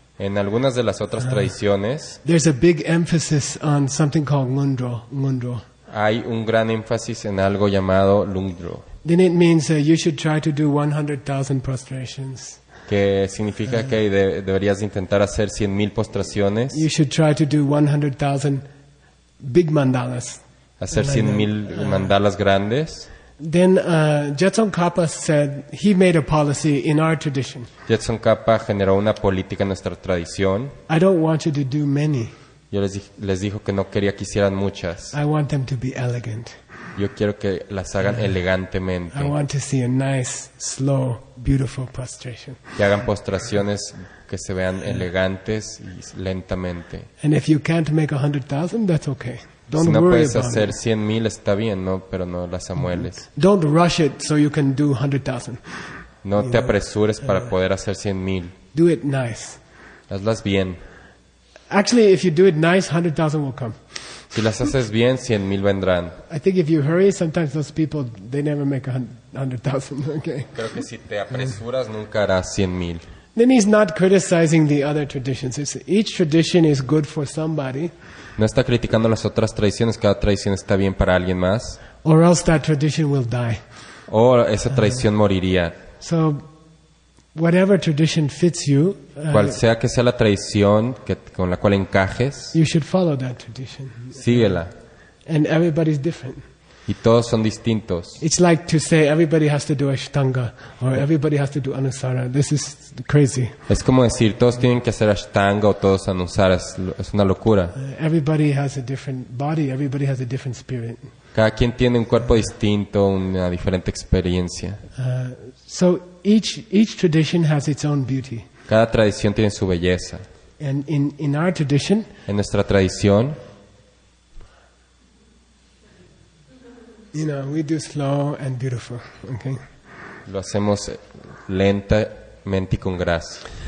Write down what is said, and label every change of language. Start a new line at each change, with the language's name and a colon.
Spanish: en algunas de las otras tradiciones,
English: there's a big emphasis on something called Ngundro, Ngundro.
Spanish: Hay un gran énfasis en algo llamado Lungdro.
English: Then it means you should try to do 100,000 prostrations.
Spanish: Que significa que deberías intentar hacer 100,000 postraciones.
English: You should try to do 100,000 big mandalas.
Spanish: Hacer 100,000 mandalas grandes.
English: Then Jetsun Kapa said he made a policy in our tradition.
Spanish: Jetsun Kapa generó una política en nuestra tradición.
English: I don't want you to do many.
Spanish: Yo les dijo que no quería que hicieran muchas.
English: I want them to be elegant.
Spanish: Yo quiero que las hagan elegantemente.
English: I want to see a nice, slow, beautiful prostration.
Spanish: Que hagan postraciones que se vean elegantes y lentamente.
English: And if you can't make 100,000, that's okay. Don't worry about it.
Spanish: Si no puedes hacer 100,000, está bien, ¿no? Pero no las amueles.
English: Don't rush it so you can do 100,000.
Spanish: No te apresures para poder hacer 100,000.
English: Do it nice.
Spanish: Hazlas bien.
English: Actually, if you do it nice, 100,000 will come.
Spanish: Si las haces bien, 100,000 vendrán.
English: I think if you hurry, sometimes those people, they never make 100,000. Okay.
Spanish: Creo que si te apresuras, nunca harás 100,000.
English: Then he's not criticizing the other traditions. It's, each tradition is good for somebody.
Spanish: No está criticando las otras tradiciones. Cada tradición está bien para alguien más.
English: Or else that tradition will die.
Spanish: O esa tradición moriría.
English: So, whatever tradition fits you,
Spanish: cual sea que sea la tradición que, con la cual encajes,
English: you should follow that tradition.
Spanish: Síguela.
English: And everybody's different.
Spanish: Y todos son distintos.
English: It's like to say everybody has to do Ashtanga or everybody has to do Anusara. This is crazy.
Spanish: Es como decir todos tienen que hacer Ashtanga o todos Anusara. Es una locura.
English: Everybody has a different body. Everybody has a different spirit.
Spanish: Cada quien tiene un cuerpo distinto, una diferente experiencia.
English: So each tradition has its own beauty.
Spanish: Cada tradición tiene su belleza.
English: And in our tradition,
Spanish: en nuestra tradición,
English: you know, we do slow and beautiful, okay?
Spanish: Lo hacemos lentamente y con gracia.